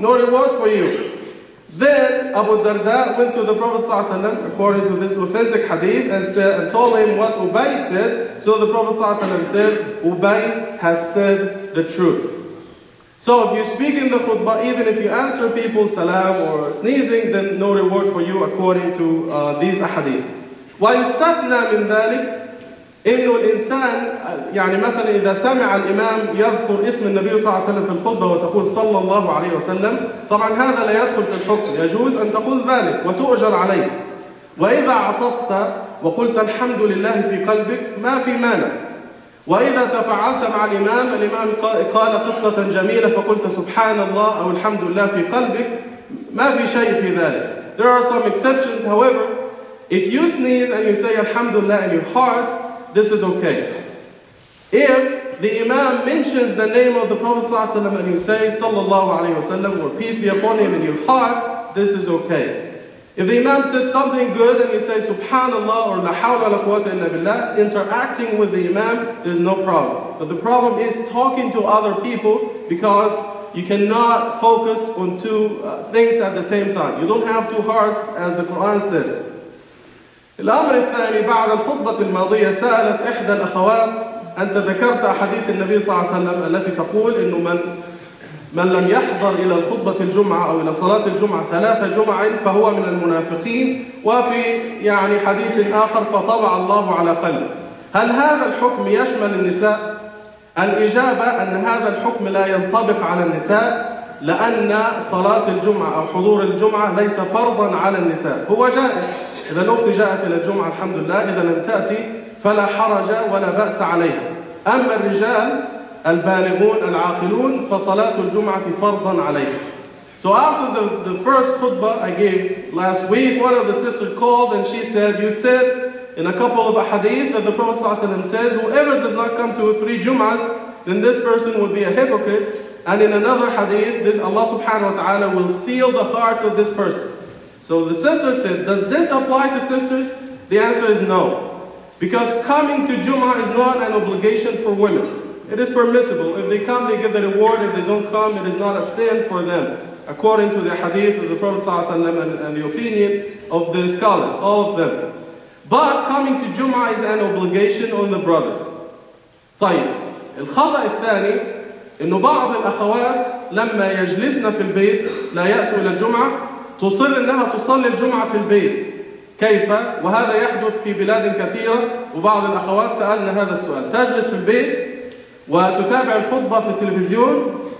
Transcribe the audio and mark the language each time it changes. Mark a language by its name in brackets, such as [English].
[English] No reward for you. Then Abu Darda went to the Prophet sallallahu alaihi wasallam, according to this authentic hadith, and said, and told him what Ubay said. So the Prophet sallallahu alaihi wasallam said, Ubay has said the truth. So if you speak in the khutbah, even if you answer people salam or sneezing, then no reward for you according to these ahadith. [Arabic] وَيُسْتَثْنَى مِنْ ذَلِكَ إِنُّ الْإِنسَانِ يعني مثلا إذا سمع الإمام يذكر اسم النبي صلى الله عليه وسلم في الخطبة وتقول صلى الله عليه وسلم طبعا هذا لا يدخل في الحكم يجوز أن تقول ذلك وتؤجر عليه وإذا عطست وقلت الحمد لله في قلبك ما في مانع وإذا تفعلت مع الإمام الإمام قال قصة جميلة فقلت سبحان الله أو الحمد لله في قلبك ما في شيء في ذلك [English] There are some exceptions, however, if you sneeze and you say Alhamdulillah in your heart, this is okay. If the Imam mentions the name of the Prophet ﷺ and you say Sallallahu Alaihi Wasallam or peace be upon him in your heart, this is okay. If the Imam says something good and you say Subhanallah or La Hawla La Quwwata Illa Billah, interacting with the Imam, there's no problem. But the problem is talking to other people because you cannot focus on two things at the same time. You don't have two hearts as the Quran says. [Arabic] الأمر الثاني بعد الخطبة الماضية سألت إحدى الأخوات أنت ذكرت حديث النبي صلى الله عليه وسلم التي تقول إنه من لم يحضر إلى الخطبة الجمعة أو إلى صلاة الجمعة ثلاثة جمع فهو من المنافقين وفي يعني حديث آخر فطبع الله على قلبه هل هذا الحكم يشمل النساء؟ الإجابة أن هذا الحكم لا ينطبق على النساء لأن صلاة الجمعة أو حضور الجمعة ليس فرضا على النساء هو جائز إذا الأخت جاءت إلى الجمعة الحمد لله إذا لم تأتي فلا حرج ولا بأس عليها أما الرجال البالغون العاقلون فصلاة الجمعة فرضا عليها [English] So after the first khutbah I gave last week, one of the sisters called and she said, you said in a couple of hadith that the Prophet Sallallahu Alaihi Wasallam says, whoever does not come to three jum'ahs, then this person would be a hypocrite. And in another hadith, this Allah Subhanahu Wa Ta'ala will seal the heart of this person. So the sister said, does this apply to sisters? The answer is no. Because coming to Jum'ah is not an obligation for women. It is permissible. If they come, they get the reward. If they don't come, it is not a sin for them. According to the hadith of the Prophet Sallallahu Alaihi Wasallam and the opinion of the scholars, all of them. But coming to Jum'ah is an obligation on the brothers. [Arabic] طيب. الخطأ الثاني إنه بعض الأخوات لما يجلسن في البيت لا يأتوا إلى الجمعة تصر أنها تصلي الجمعة في البيت كيف؟ وهذا يحدث في بلاد كثيرة وبعض الأخوات سألنا هذا السؤال تجلس في البيت وتتابع الخطبة في التلفزيون